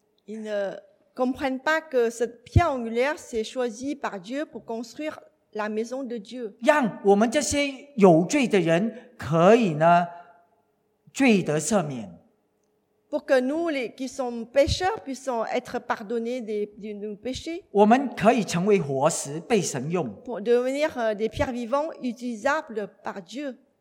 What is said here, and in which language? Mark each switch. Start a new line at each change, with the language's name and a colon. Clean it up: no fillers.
French: Ils ne comprennent pas que cette pierre angulaire s'est choisie par Dieu pour construire la maison de Dieu.
Chinese: 让我们这些有罪的人可以呢，罪得赦免。
French: Pour que nous les qui sont pécheurs puissent être pardonnés de nos péchés.
Chinese: 我们可以成为活石被神用。
French: Pour devenir des pierres vivantes utilisables par Dieu.